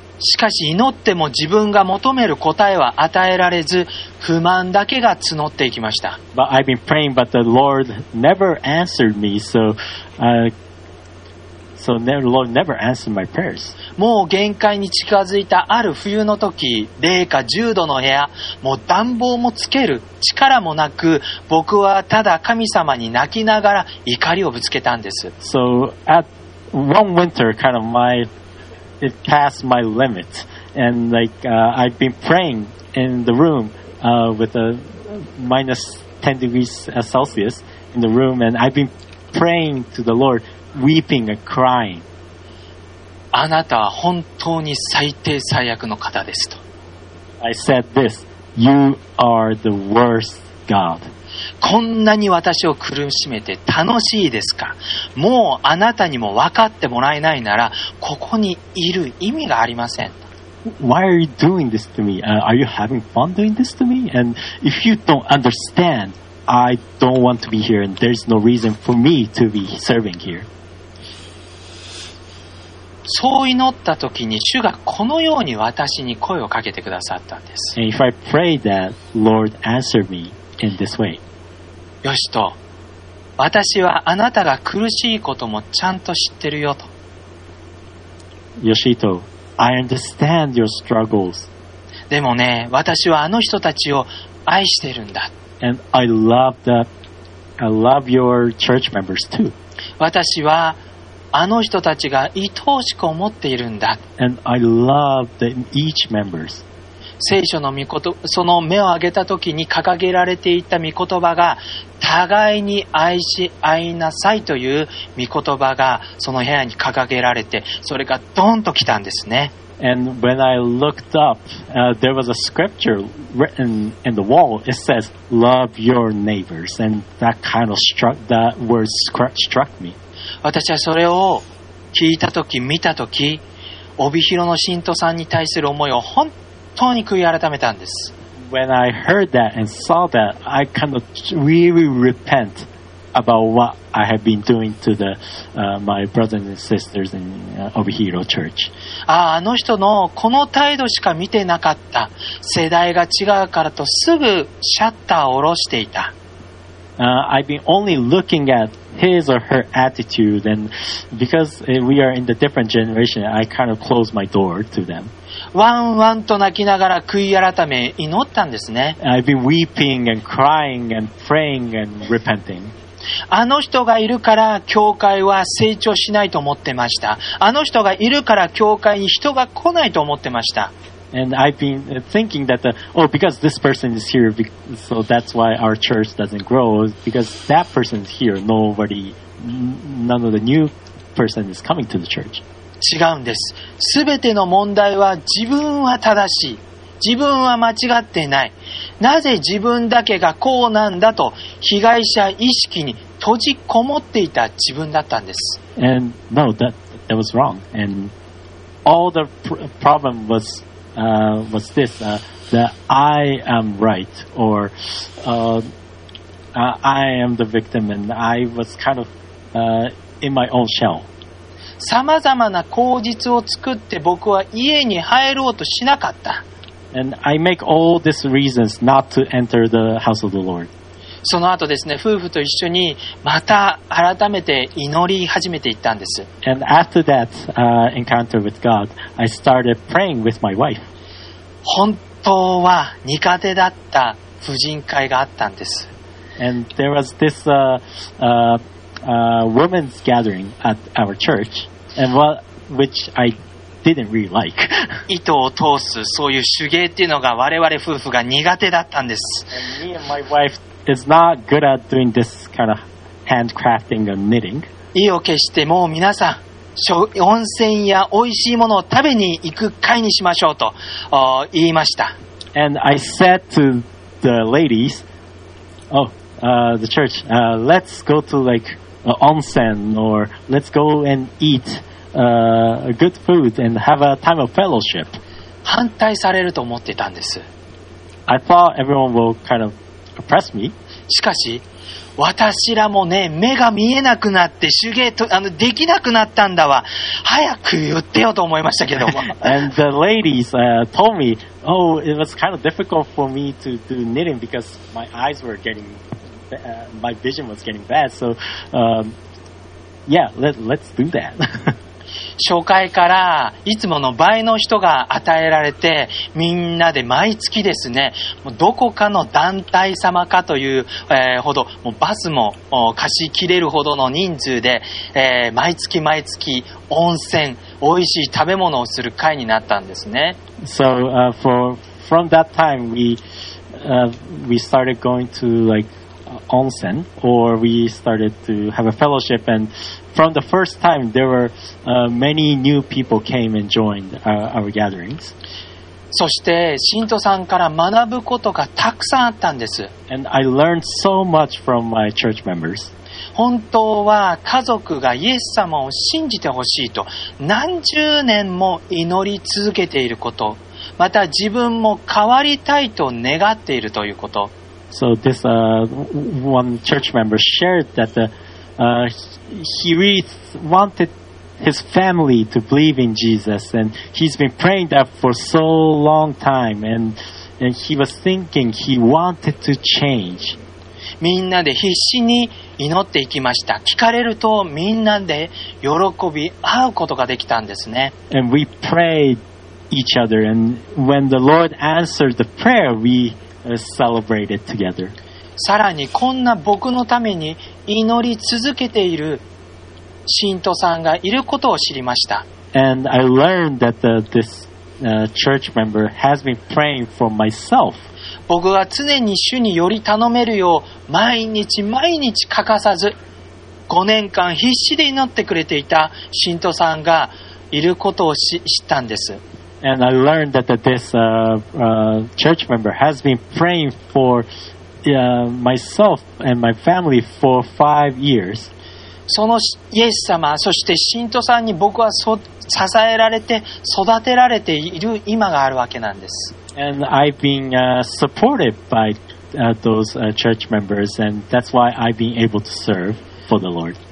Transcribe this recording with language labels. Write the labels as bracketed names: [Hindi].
[Japanese] しかし祈っても自分が求める答えは与えられず、不満だけが募っていきました。 [English] But I've been praying, but the Lord never answered me, so, so the Lord never answered my prayers. [Japanese] もう限界に近づいたある冬の時、零下10度の部屋、もう暖房もつける力もなく、僕はただ神様に泣きながら怒りをぶつけたんです。 [English] So at one winter, kind of my it passed my limit, and like I've been praying in the room with a minus 10 degrees Celsius in the room, and I've been praying to the Lord. Weeping and crying. [Japanese] あなたは本当に最低最悪の方ですと。 [English] I said this. You are the worst God. [Japanese] こんなに私を苦しめて楽しいですか。もうあなたにも分かってもらえないなら、ここにいる意味がありません。 [English] Why are you doing this to me?、are you having fun doing this to me? And if you don't understand, I don't want to be here, and there's no reason for me to be serving here. [Japanese] そう祈った時に主がこのように私に声をかけてくださったんです。 [English] And if I pray that Lord answer me in this way. [Japanese] よしと、私はあなたが苦しいこともちゃんと知ってるよと。 [English] よしと、I understand your struggles. [Japanese] でもね、私はあの人たちを愛してるんだ。 [English] And I love your church members too. [Japanese] 私はあの人たちが愛おしく思っているんだ。 [English] And I love the each members. [Japanese] 聖書の御言葉、その目を上げた時に掲げられていた御言葉が、互いに愛し合いなさいという御言葉がその部屋に掲げられて、それがドンと来たんですね。 [English] And when I looked up, there was a scripture written in the wall. It says, "Love your neighbors." And that kind of struck that word struck me. [Japanese] 私はそれを聞いたとき、見たとき、帯広の信徒さんに対する思いを本当に悔い改めたんです。 [English] When I heard that and saw that, I kind of really repent about what I have been doing to the, my brothers and sisters in,帯広 church. [Japanese] ああ、あの人のこの態度しか見てなかった。世代が違うからとすぐシャッターを下ろしていた。 [English] I've been only looking at his or her attitude, and because we are in the different generation, I kind of closed my door to them. [Japanese] ワンワンと泣きながら悔い改め祈ったんですね。 [English] I've been weeping and crying and praying and repenting. [Japanese] あの人がいるから教会は成長しないと思ってました。あの人がいるから教会に人が来ないと思ってました。 [English] And I've been thinking that, because this person is here, so that's why our church doesn't grow. Because that person is here, nobody, none of the new person is coming to the church. [Japanese] 違うんです。すべての問題は自分は正しい。自分は間違ってない。なぜ自分だけがこうなんだと被害者意識に閉じこもっていた自分だったんです。 [English] And no, that was wrong. And all the problem was... was this that I am right or I am the victim and I was kind of in my own shell. [Japanese] さまざまな口実を作って僕は家に入ろうとしなかった。 [English] And I make all these reasons not to enter the house of the Lord. [Japanese] その後ですね、夫婦と一緒にまた改めて祈り始めていったんです。 [English] And after that encounter with God, I started praying with my wife. [Japanese] 本当は苦手だった婦人会があったんです。 [English] And there was this women's gathering at our church, and which I didn't really like. [Japanese] 糸を通すそういう手芸っていうのが我々夫婦が苦手だったんです。 [English] And me and my wife is not good at doing this kind of handcrafting and knitting. [Japanese] 意を決してもう皆さん。温泉や美味しいものを食べに行く会にしましょうと言いました。 [English] And I said to the ladies, oh, the church, let's go to like onsen or let's go and eat good food and have a time of fellowship. [Japanese] 反対されると思ってたんです。 [English] I thought everyone will kind of oppress me. [Japanese] しかし私らもね目が見えなくなって手芸とあのできなくなったんだわ早く言ってよと思いましたけども [English] And the ladies、told me Oh, it was kind of difficult for me to do knitting because my eyes were getting、my vision was getting bad So、let's do that [Japanese] 紹介からいつもの倍の人が与えられてみんなで毎月ですねどこかの団体様かという、ほどもうバスも貸し切れるほどの人数で、毎月毎月温泉おいしい食べ物をする会になったんですね [English] So、from that time we started going to like onsen or we started to have a fellowship andFrom the first time, there were、many new people came and joined our gatherings. [Japanese] そして信徒さんから学ぶことがたくさんあったんです。 [English] And I learned so much from my church members. [Japanese] 本当は家族がイエス様を信じてほしいと何十年も祈り続けていること、また自分も変わりたいと願っているということ。 [English] So this、one church member shared that theHe really wanted his family to believe in Jesus, and he's been praying that for so long time, and he was thinking he wanted to change. [Japanese] みんなで必死に祈っていきました。聞かれるとみんなで喜び合うことができたんですね。 [English] And we prayed each other, and when the Lord answered the prayer, we celebrated together. [Japanese] さらにこんな僕のために祈り続けている信徒さんがいることを知りました。 [English] And I learned that this church member has been praying for myself. [Japanese] 僕は常に主により頼めるよう毎日毎日欠かさず5年間必死で祈ってくれていた信徒さんがいることを知ったんです。 [English] And I learned that this church member has been praying formyself and my family for 5 years. [Japanese] そのイエス様、そして信徒さんに僕は支えられて育てられている今があるわけなんです。 [English] And I've been supported by those church members, and that's why I've been able to serve for the Lord.